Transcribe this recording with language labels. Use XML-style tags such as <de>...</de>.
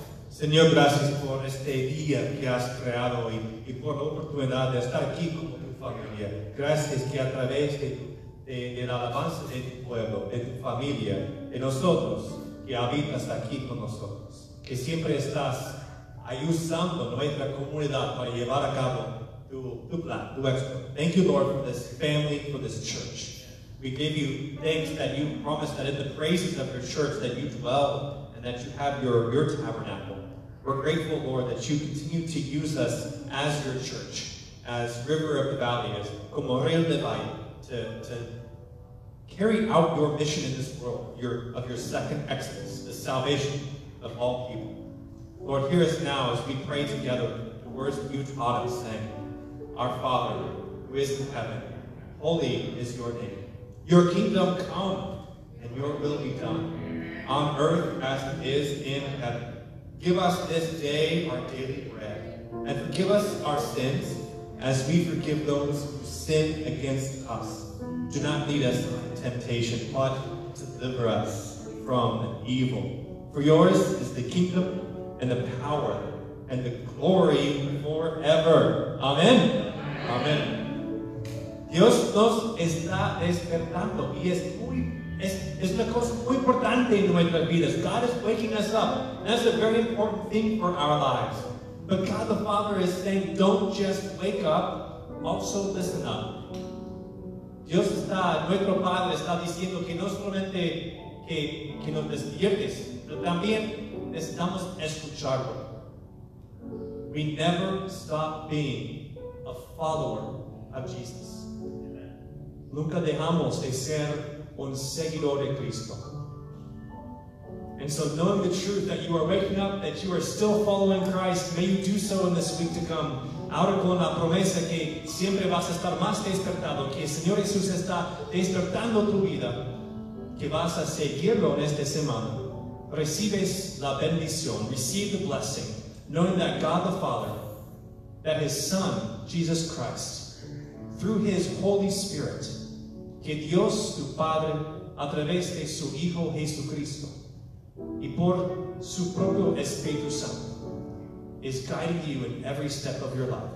<es>Señor, gracias por este día que has creado y por la oportunidad de estar aquí como tu familia. Gracias que a través de la alabanza de tu pueblo, de tu familia, de nosotros, que habitas aquí con nosotros, que siempre estás usando nuestra comunidad para llevar a cabo tu plan, tu expo.</es> <en>Thank you, Lord, for this family, for this church. We give you thanks that you promised that in the praises of your church that you dwell and that you have your tabernacle. We're grateful, Lord, that you continue to use us as your church, as River of the Valley, as como Rio de Valle, to carry out your mission in this world, your second exodus, the salvation of all people. Lord, hear us now as we pray together the words that you taught us, saying, Our Father, who is in heaven, holy is your name. Your kingdom come, and your will be done, on earth as it is in heaven. Give us this day our daily bread, and forgive us our sins, as we forgive those who sin against us. Do not lead us into temptation, but deliver us from evil. For yours is the kingdom, and the power, and the glory forever. Amen. Amen.</en> <es>Dios nos está despertando y es una cosa muy importante en nuestras vidas.</es> <en>God is waking us up. That's a very important thing for our lives. But God the Father is saying, don't just wake up, also listen up.</en> <es>Dios está, nuestro Padre está diciendo que no solamente que nos despiertes, pero también necesitamos escucharlo.</es> <en>We never stop being a follower of Jesus.</en> <es>Nunca dejamos de ser un seguidor de Cristo.</es> <en>And so knowing the truth that you are waking up, that you are still following Christ, may you do so in this week to come.</en> <es>Ahora con la promesa que siempre vas a estar más despertado, que el Señor Jesús está despertando tu vida, que vas a seguirlo en esta semana. Recibes la bendición,</es> <en>receive the blessing, knowing that God the Father, that His Son, Jesus Christ, through His Holy Spirit,</en> <es>que Dios tu Padre, a través de su Hijo Jesucristo, y por su propio Espíritu Santo,</es> <en>is guiding you in every step of your life.</en>